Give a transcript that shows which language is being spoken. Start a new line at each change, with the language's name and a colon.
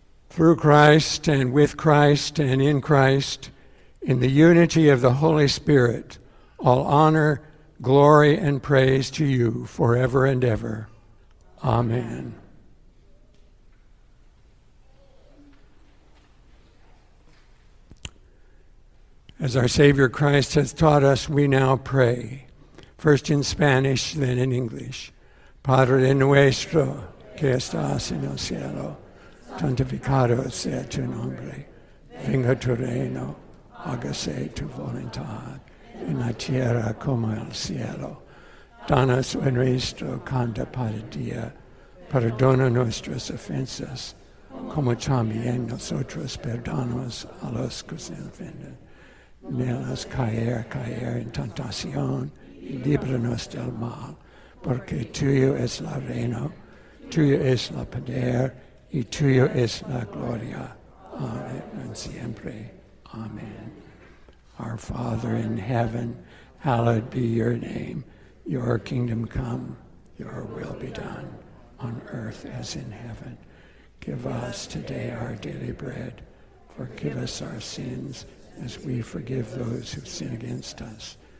English: Through Christ and with Christ and in Christ, in the unity of the Holy Spirit, all honor, glory, and praise to you forever and ever. Amen. As our Savior Christ has taught us, we now pray, first in Spanish, then in English.
Spanish: Padre nuestro, que estás en el cielo, santificado sea tu nombre, venga tu reino, hágase tu voluntad, en la tierra como el cielo. Danos hoy nuestro cada día, perdona nuestras ofensas, como también nosotros perdonamos a los que nos ofenden. No nos caer en tentación y líbranos del mal, porque tuyo es el reino, tuyo es el poder y tuyo es la gloria, ahora y siempre. Amén.
English: Our Father in heaven, hallowed be your name. Your kingdom come, your will be done, on earth as in heaven. Give us today our daily bread. Forgive us our sins, as we forgive those who sin against us.